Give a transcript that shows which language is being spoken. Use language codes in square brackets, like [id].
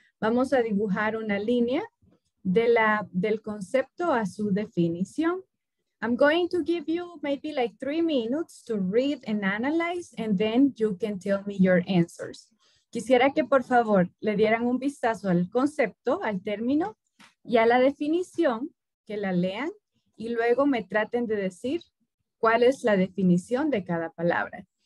[es] Vamos a dibujar una línea del concepto a su definición. [en] I'm going to give you maybe like 3 minutes to read and analyze, and then you can tell me your answers. [es] Quisiera que por favor le dieran un vistazo al concepto, al término y a la definición, que la lean y luego me traten de decir cuál es la definición de cada palabra.